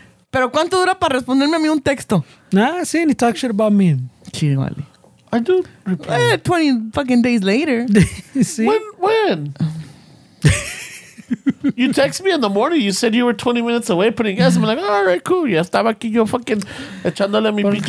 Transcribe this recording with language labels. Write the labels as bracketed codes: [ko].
[es] Pero cuánto dura para responderme a mí un texto? [en] Nah, see, and he talks shit about me. [es] Sí, vale. [en] I do reply. 20 fucking days later. See? When? You text me in the morning. You said you were 20 minutes away putting gas. I'm like, all right, cool. [es] Ya estaba aquí yo [en] fucking [es] echándole mi pinche.